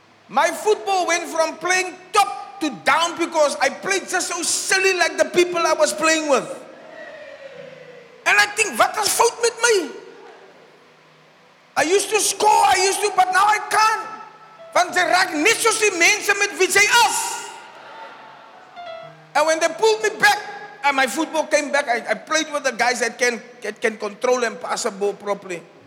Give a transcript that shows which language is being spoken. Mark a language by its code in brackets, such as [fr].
[en] My football went from playing top to down because I played just so silly like the people I was playing with. And I think, what has fought with me? I used to score, but now I can't. [af] Want they raak net soos die mense met wie jy is. [en] And when they pulled me back, and my football came back, I played with the guys that can control and pass a ball properly.